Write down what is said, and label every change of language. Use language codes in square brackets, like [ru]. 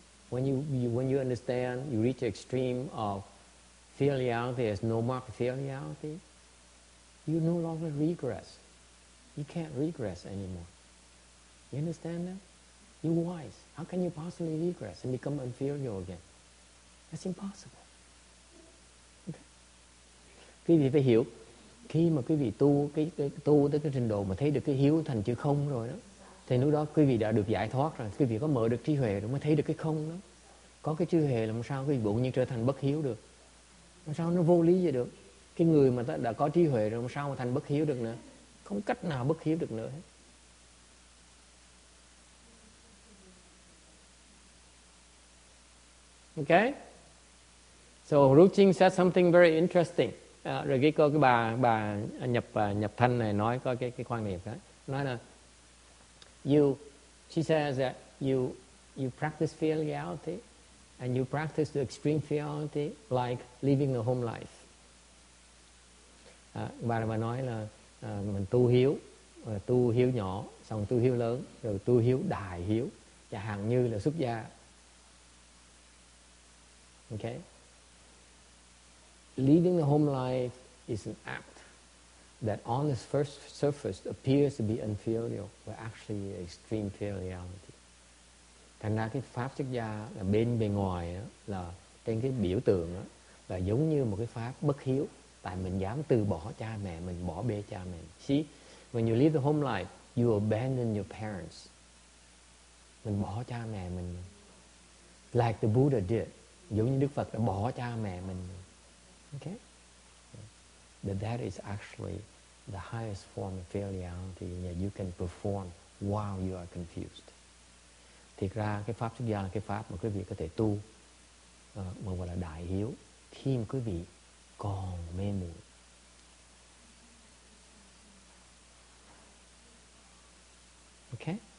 [en] When you understand, you reach the extreme of filiality, there's no more filiality, you no longer regress. You can't regress anymore. You understand that? You're wise. How can you possibly regress and become inferior again? That's impossible. Okay. [vi] Quý vị phải hiểu, khi mà quý vị tu cái tu tới cái trình độ mà thấy được cái hiếu thành chữ không rồi đó, thì lúc đó quý vị đã được giải thoát rồi. Quý vị có mở được trí huệ rồi mới thấy được cái không đó. Có cái trí huệ làm sao quý vị bỗng nhiên trở thành bất hiếu được? Làm sao nó vô lý vậy được? Cái người mà đã có trí huệ rồi làm sao mà thành bất hiếu được nữa? Không cách nào bất hiếu được nữa hết. [en] Okay, so Ruching said something very interesting. [vi] Rồi cái cô cái bà nhập thanh này nói có cái quan niệm đó. Nói là [en] she says that you practice filiality and you practice the extreme filiality like living a home life. [vi] Bà nói là mình tu hiếu nhỏ, xong tu hiếu lớn, rồi tu hiếu đại hiếu, và hàng như là xuất gia. [en] Okay. Leading the home life is an act that on its first surface appears to be unfilial, but actually extreme filiality. [vi] Thành ra cái pháp xuất gia là bên bề ngoài đó, là trên cái biểu tượng đó, là giống như một cái pháp bất hiếu, tại mình dám từ bỏ cha mẹ mình, bỏ bê cha mẹ. [en] See, when you leave the home life, you abandon your parents. [vi] Mình bỏ cha mẹ mình. [en] Like the Buddha did. [vi] Giống như Đức Phật đã bỏ cha mẹ mình. [en] Okay? But that is actually the highest form of filiality that you can perform while you are confused. [vi] Thiệt ra cái pháp xuất gia là cái pháp mà quý vị có thể tu mà gọi là đại hiếu khi mà quý vị còn mê muội. [en] Okay?